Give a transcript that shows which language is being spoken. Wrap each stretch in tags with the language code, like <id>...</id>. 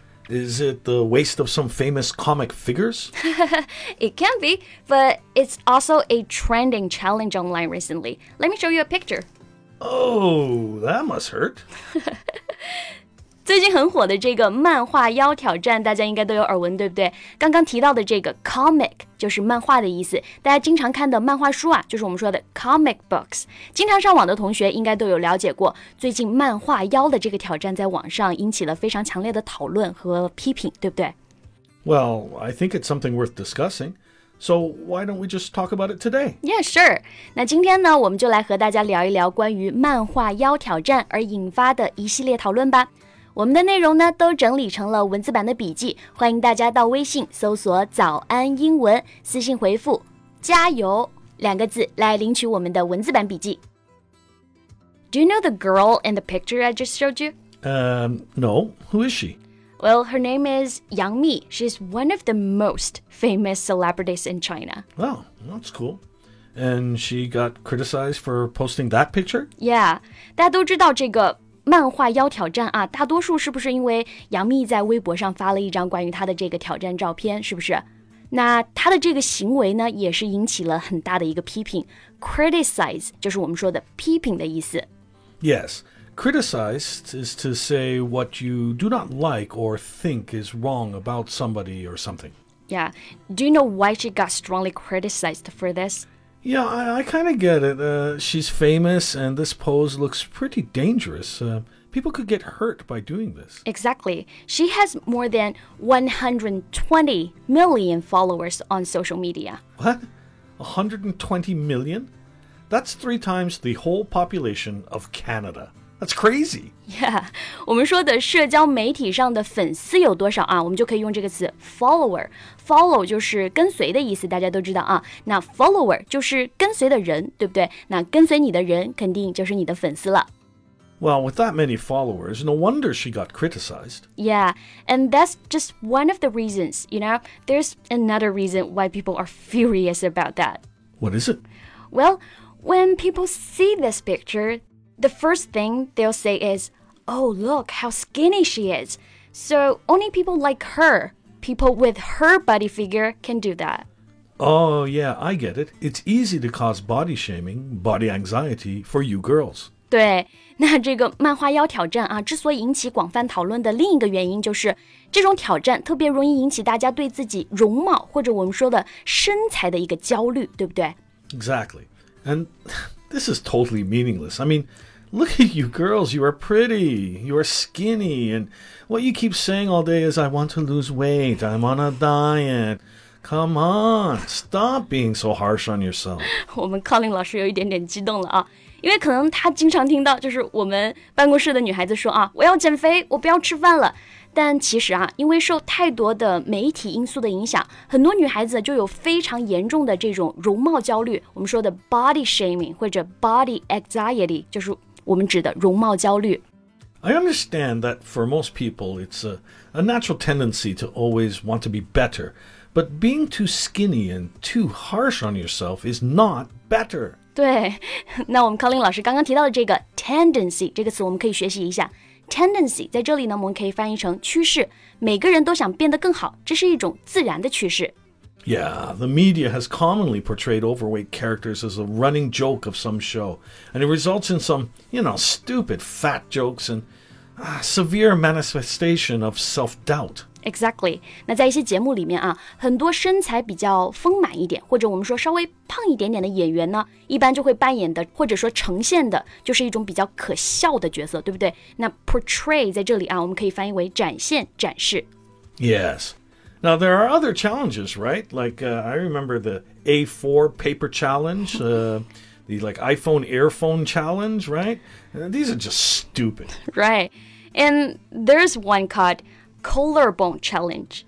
<en>Is it the waste of some famous comic figures? It can be, but it's also a trending challenge online recently. Let me show you a picture. Oh, that must hurt.</en> <zh>最近很火的这个漫画腰挑战大家应该都有耳闻，对不对？刚刚提到的这个 comic 就是漫画的意思，大家经常看的漫画书啊，就是我们说的 comic books。经常上网的同学应该都有了解过，最近漫画腰的这个挑战在网上引起了非常强烈的讨论和批评，对不对？</zh> <en>Well, I think it's something worth discussing. So why don't we just talk about it today? Yeah, sure.</en> <zh>那今天呢，我们就来和大家聊一聊关于漫画腰挑战而引发的一系列讨论吧。我们的内容呢都整理成了文字版的笔记，欢迎大家到微信搜索早安英文，私信回复加油两个字来领取我们的文字版笔记。</zh> <en>Do you know the girl in the picture I just showed you? No, who is she? Well, her name is Yang Mi. She's one of the most famous celebrities in China. Oh, that's cool. And she got criticized for posting that picture? Yeah,</en> <zh>大家都知道这个漫画腰挑战啊，大多数是不是因为杨幂在微博上发了一张关于她的这个挑战照片，是不是？那她的这个行为呢，也是引起了很大的一个批评。 Criticize 就是我们说的批评的意思。</zh> <en>Yes, criticized is to say what you do not like or think is wrong about somebody or something. Yeah, do you know why she got strongly criticized for this? Yeah, I kind of get it. She's famous, and this pose looks pretty dangerous. People could get hurt by doing this. Exactly. She has more than 120 million followers on social media. What? 120 million? That's three times the whole population of Canada. That's crazy. Yeah.</en> <zh>我们说的社交媒体上的粉丝有多少啊？我们就可以用这个词 follower. Follow 就是跟随的意思，大家都知道啊。那 follower 就是跟随的人，对不对？那跟随你的人肯定就是你的粉丝了。</zh> <en>Well, with that many followers, no wonder she got criticized. Yeah, and that's just one of the reasons, you know? There's another reason why people are furious about that. What is it? Well, when people see this picture, the first thing they'll say is, oh, look how skinny she is. So only people like her... People with her body figure can do that. Oh, yeah, I get it. It's easy to cause body shaming, body anxiety for you girls.</en> <zh>对，那这个漫画腰挑战啊，之所以引起广泛讨论的另一个原因就是，这种挑战特别容易引起大家对自己容貌或者我们说的身材的一个焦虑，对不对？</zh> <en>Exactly. And this is totally meaningless. I mean... Look at you girls, you are pretty, you are skinny, and what you keep saying all day is, I want to lose weight, I'm on a diet. Come on, stop being so harsh on yourself.</en> <zh>我们 Colin 老师有一点点激动了啊，因为可能他经常听到就是我们办公室的女孩子说啊，我要减肥，我不要吃饭了。但其实啊，因为受太多的媒体因素的影响，很多女孩子就有非常严重的这种容貌焦虑，我们说的 body shaming 或者 body anxiety, 就是我们指的容貌焦虑。</zh> <en>I understand that for most people, it's a natural tendency to always want to be better. But being too skinny and too harsh on yourself is not better.</en> <zh>对，那我们 Colin 老师刚刚提到的这个 tendency 这个词，我们可以学习一下。 Tendency 在这里呢，我们可以翻译成趋势。每个人都想变得更好，这是一种自然的趋势。</zh> <en>Yeah, the media has commonly portrayed overweight characters as a running joke of some show, and it results in some, you know, stupid fat jokes and severe manifestation of self-doubt. Exactly.</en> <zh>那在一些节目里面啊，很多身材比较丰满一点，或者我们说稍微胖一点点的演员呢，一般就会扮演的或者说呈现的就是一种比较可笑的角色，对不对？那 portray 在这里啊，我们可以翻译为展现、展示。</zh> <en>Yes. Now, there are other challenges, right? Like, I remember the A4 paper challenge, the like iPhone earphone challenge, right? These are just stupid. Right. And there's one called collarbone challenge.</en>